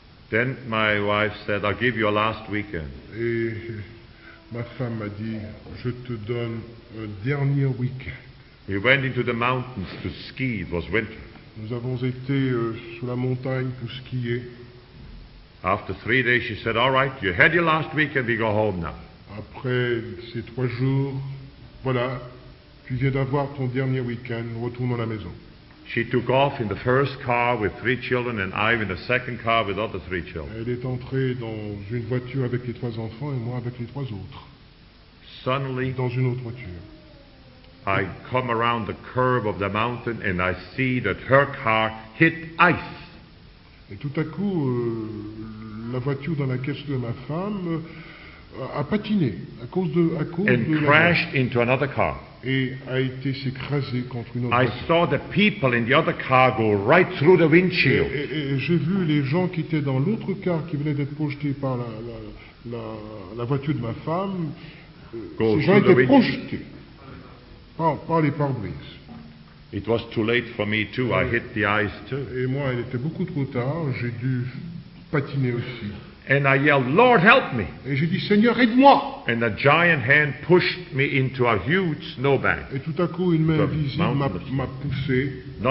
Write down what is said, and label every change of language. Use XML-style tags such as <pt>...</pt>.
<en>Then my wife said, I'll give you a last weekend.</en> <fr>Et ma femme m'a dit, je te donne un dernier week-end.</fr> <en>We went into the mountains to ski, it was winter.</en> <fr>Nous avons été sous la montagne pour skier.</fr> <en>After 3 days, she said, all right, you had your last weekend, we go home now.</en> <fr>Après ces 3 jours, voilà, tu viens d'avoir ton dernier week-end, retourne à la maison.</fr> <en>She took off in the first car with 3 children and I in the second car with other 3 children.</en> <fr>Elle est entrée dans une voiture avec les 3 enfants et moi avec les 3 autres.</fr> <en>Suddenly,</en> <fr>dans une autre voiture.</fr> <en>I come around the curve of the mountain and I see that her car hit ice.</en> <fr>Et tout à coup, la voiture dans laquelle était ma femme a patiné</fr> <en>crashed into another car.</en> <fr>Et a été s'écraser contre une autre</fr> <en>I saw the people in the other car go right through the windshield.</en> <fr>Et j'ai vu les gens qui étaient dans l'autre car qui venaient d'être projetés par la voiture de ma femme. Ils ont été projetés par les pare-brise.</fr> <en>It was too late for me too. I hit the ice too.</en> <fr>Et moi, il était beaucoup trop tard. J'ai dû patiner aussi.</fr> <en>And I yelled, Lord, help me.</en> <fr>Et j'ai dit, Seigneur, aide-moi.</fr> <en>And a giant hand pushed me into a huge snowbank.</en> <fr>Et tout à coup, une main invisible m'a poussé.</fr>